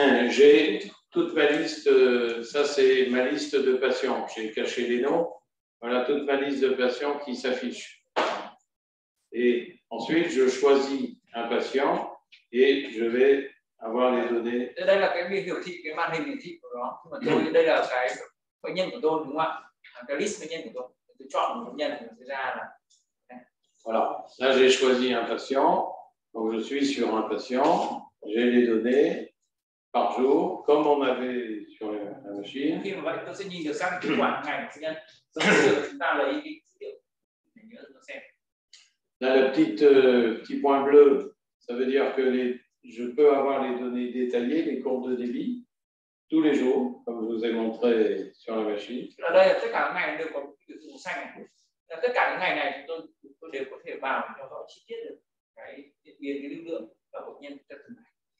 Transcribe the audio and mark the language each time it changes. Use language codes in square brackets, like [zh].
[fr] J'ai toute ma liste, ça c'est ma liste de patients, j'ai caché les noms, voilà toute ma liste de patients qui s'affiche. Et ensuite je choisis un patient et je vais avoir les données. [vi] Đây là cái biểu thị, cái màn hình hiển thị của nó. Tôi, đây là cái bệnh nhân của tôi, đúng không ạ? Cái list bệnh nhân của tôi, tôi chọn bệnh nhân sẽ ra là. [fr] Voilà, là j'ai choisi un patient, donc je suis sur un patient, j'ai les données. Par jour, comme on avait sur la machine. [vi] Khi mà vậy, tôi sẽ nhìn được sang kết quả ngày của bệnh nhân. Sau đó chúng ta lấy cái dữ liệu để nhớ nó xem. [fr] Là le petit point bleu, ça veut dire que je peux avoir les données détaillées, les courbes de débit, tous les jours, comme je vous ai montré sur la machine. [vi] Là đây, tất cả ngày đều có biểu thị màu xanh này. Là tất cả những ngày này, tôi đều có thể vào theo dõi chi tiết được cái diễn biến cái lưu lượng và bệnh nhân trong từng ngày.